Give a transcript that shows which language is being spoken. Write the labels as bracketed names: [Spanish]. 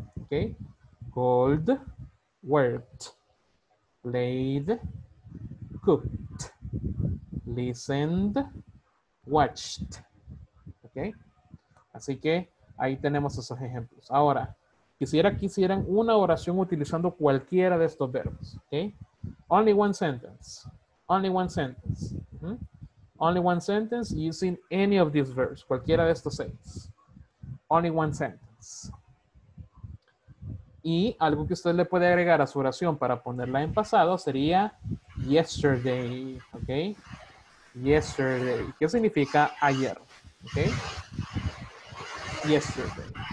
[English] ¿Ok? Gold, word, played, cooked, listened, watched. Okay. [Spanish] Así que ahí tenemos esos ejemplos. Ahora, quisiera que hicieran una oración utilizando cualquiera de estos verbos. [English] Okay. Only one sentence. Only one sentence. Mm-hmm. Only one sentence using any of these verbs. [Spanish] Cualquiera de estos 6. [English] Only one sentence. [Spanish] Y algo que usted le puede agregar a su oración para ponerla en pasado sería yesterday. Okay. Yesterday. ¿Qué significa ayer? Okay. Yesterday.